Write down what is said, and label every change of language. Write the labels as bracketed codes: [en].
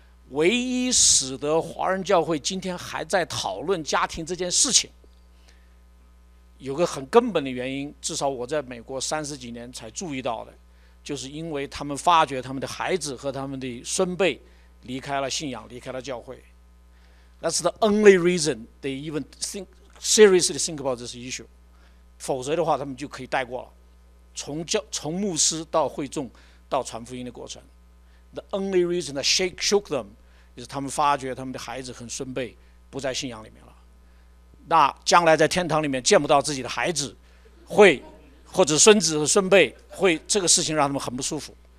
[zh] 唯一使得华人教会今天还在讨论家庭这件事情，有个很根本的原因，至少我在美国30几年才注意到的，就是因为他们发觉他们的孩子和他们的孙辈离开了信仰，离开了教会。 [en] That's the only reason they even think seriously think about this issue。 [zh] 否则的话，他们就可以带过了，从牧师到会众到传福音的过程。 [en] The only reason that shook them。 [zh] 就是他们发觉他们的孩子和孙辈不在信仰里面了，那将来在天堂里面见不到自己的孩子，会或者孙子和孙辈会这个事情让他们很不舒服。